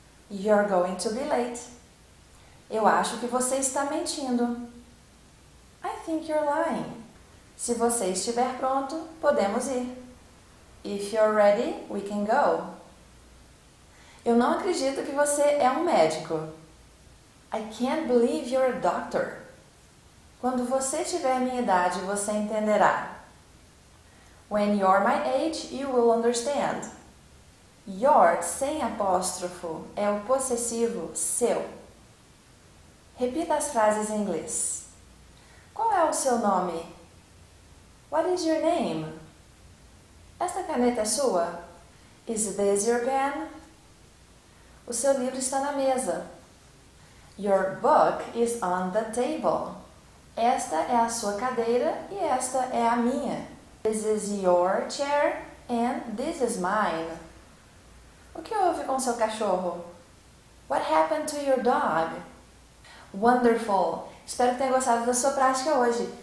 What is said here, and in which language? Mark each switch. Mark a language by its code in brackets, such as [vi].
[en] You're going to be late. [pt] Eu acho que você está mentindo. [en] I think you're lying. [pt] Se você estiver pronto, podemos ir. [en] If you're ready, we can go. [pt] Eu não acredito que você é um médico. [en] I can't believe you're a doctor. [pt] Quando você tiver minha idade, você entenderá. [en] When you're my age, you will understand. [pt] Your, sem apóstrofo, é o possessivo seu. Repita as frases em inglês. Qual é o seu nome? [en] What is your name? [pt] Esta caneta é sua? [en] Is this your pen? [pt] O seu livro está na mesa. [en] Your book is on the table. [pt] Esta é a sua cadeira e esta é a minha. [en] This is your chair and this is mine. [pt] O que houve com seu cachorro? [en] What happened to your dog? Wonderful! [pt] Espero que tenha gostado da sua prática hoje.